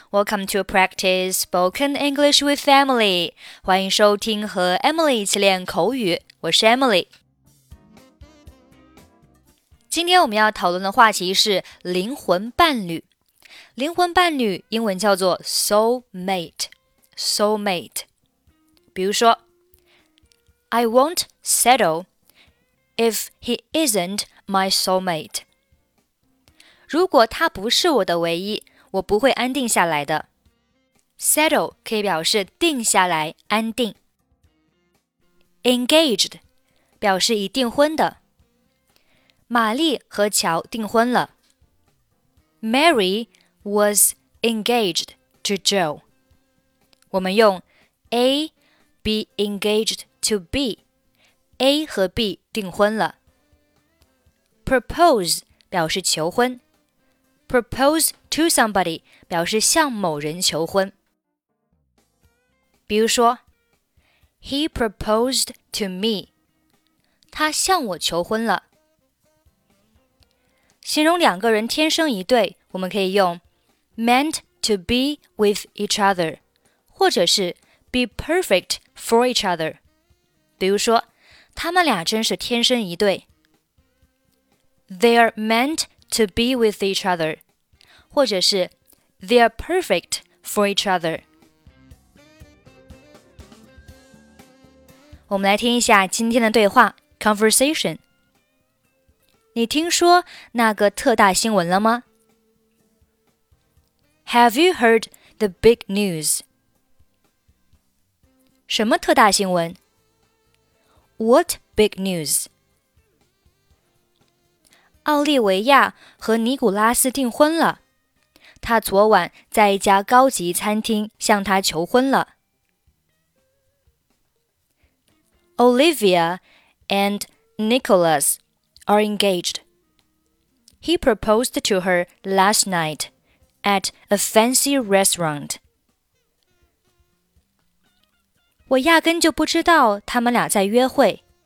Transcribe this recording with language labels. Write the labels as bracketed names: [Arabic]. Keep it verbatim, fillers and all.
[English] Welcome to practice spoken English with Emily. [Chinese] 欢迎收听和 Emily 一起练口语，我是 Emily。今天我们要讨论的话题是灵魂伴侣。灵魂伴侣英文叫做 soul mate, soul mate。比如说 [English] I won't settle if he isn't my soul mate. [Chinese] 如果他不是我的唯一，我不会安定下来的。 Settle 可以表示定下来，安定。Engaged 表示已订婚的。玛丽和乔订婚了。 [English] Mary was engaged to Joe. [Chinese] 我们用 A be engaged to B. A 和 B 订婚了。 Propose 表示求婚。Propose to somebody 表示向某人求婚。比如说 [English] He proposed to me. [Chinese] 他向我求婚了。形容两个人天生一对，我们可以用 [English] meant to be with each other [Chinese] 或者是 [English] be perfect for each other. [Chinese] 比如说他们俩真是天生一对。 [English] They are meant to be with each other, [Chinese] 或者是 [English] they are perfect for each other. [Chinese] 我们来听一下今天的对话 conversation. 你听说那个特大新闻了吗？ [English] Have you heard the big news? [Chinese] 什么特大新闻？ [English] What big news? [Chinese] 奥利维亚和尼古拉斯订婚了。他昨晚在一家高级餐厅向她求婚了。 [English] Olivia and Nicholas are engaged. He proposed to her last night at a fancy restaurant. [Chinese] 我压根就不知道他们俩在约会。